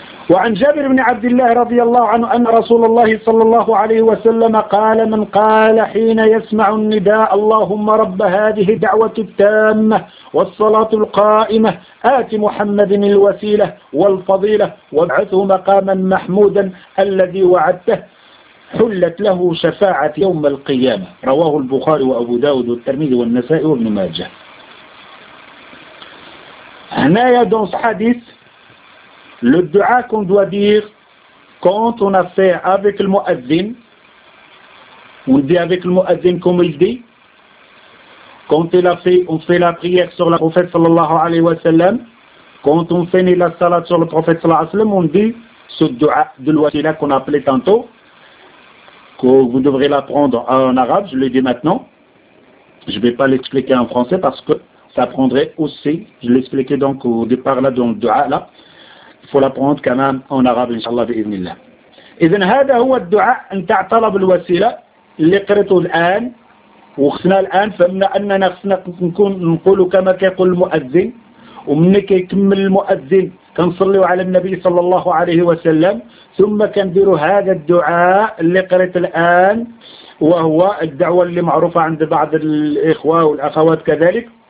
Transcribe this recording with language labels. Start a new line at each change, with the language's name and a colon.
Arabic: وعن جابر بن عبد الله رضي الله عنه أن رسول الله صلى الله عليه وسلم قال من قال حين يسمع النداء اللهم رب هذه الدعوة التامة والصلاة القائمة آت محمد الوسيلة والفضيلة وابعثه مقاما محمودا الذي وعدته حلت له شفاعة يوم القيامة رواه البخاري وأبو داود والترمذي والنسائي وابن ماجه. هنا يدون حديث
French: Le dua qu'on doit dire quand on a fait avec le muadzin, on dit avec le muadzin comme il dit, quand il a fait, on fait la prière sur le prophète sallallahu alayhi wa sallam, quand on finit la salat sur le prophète sallallahu alayhi wa sallam, on dit ce dua de l'ouatila qu'on a appelé tantôt, que vous devrez l'apprendre en arabe, je le dis maintenant, je ne vais pas l'expliquer en français parce que ça prendrait aussi, je l'expliquais donc au départ là dans le dua là, faut l'apprendre quand même en arabe, inshallah, bi'idhnillah.
Arabic: إذن هذا هو الدعاء أن تعطلب الوسيلة اللي قرأته الآن وخصنا الآن فمن أننا خصنا نكون نقول كما كيقول المؤذن ومن كيكمل المؤذن كنصلي على النبي صلى الله عليه وسلم ثم كندير هذا الدعاء اللي قرأته الآن وهو الدعوة اللي معروفة عند بعض الإخوة والأخوات كذلك